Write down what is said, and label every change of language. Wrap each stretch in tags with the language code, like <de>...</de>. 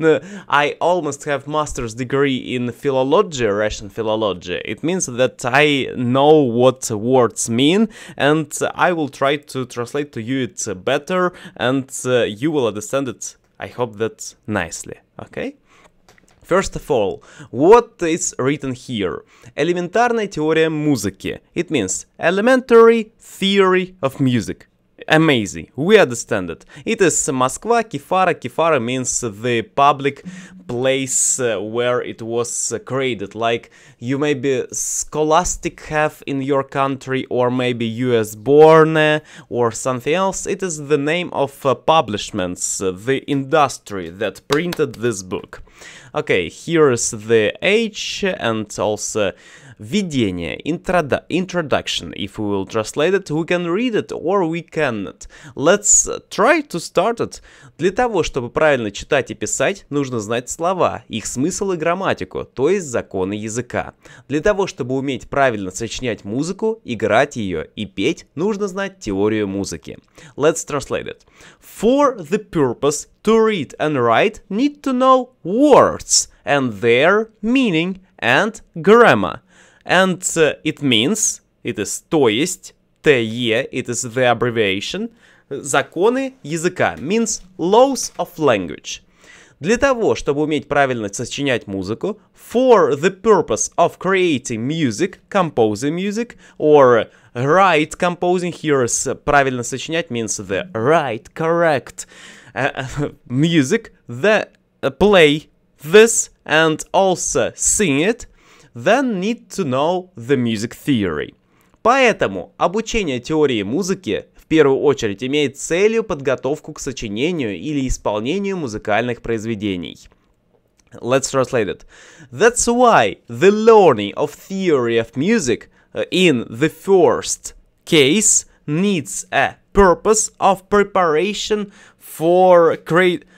<en>No, I almost have master's degree in philology, Russian philology. It means that I know what words mean, and I will try to translate to you it better, and you will understand it, I hope, that nicely, okay? First of all, what is written here?</en> <ru>Элементарная теория музыки.</ru> <en>It means elementary theory of music. Amazing. We understand it. It is Москва, Кефара. Кефара means the public place where it was created. Like, you may be scholastic half in your country, or maybe US born, or something else. It is the name of publishments, the industry that printed this book. Okay, here is the H, and also Видение, introduction. If we will translate it, we can read it or we cannot. Let's try to start it.</en> <ru>Для того, чтобы правильно читать и писать, нужно знать слова, их смысл и грамматику, то есть законы языка. Для того, чтобы уметь правильно сочинять музыку, играть ее и петь, нужно знать теорию музыки.</ru> <en>Let's translate it. For the purpose to read and write, need to know words and their meaning and grammar. And it means, it is</en> <ru>то есть,</ru> <en>ТЕ, it is the abbreviation,</en> <ru>законы языка,</ru> <en>means laws of language.</en> <ru>Для того, чтобы уметь правильно сочинять музыку,</ru> <en>for the purpose of creating music, composing music, or right composing, here is</en> <ru>правильно сочинять,</ru> <en>means the right, correct music, the play this and also sing it, then need to know the music theory.</en> <ru>Поэтому обучение теории музыки в первую очередь имеет целью подготовку к сочинению или исполнению музыкальных произведений.</ru> <en>Let's translate it. That's why the learning of theory of music in the first case needs a purpose of preparation for create...</en>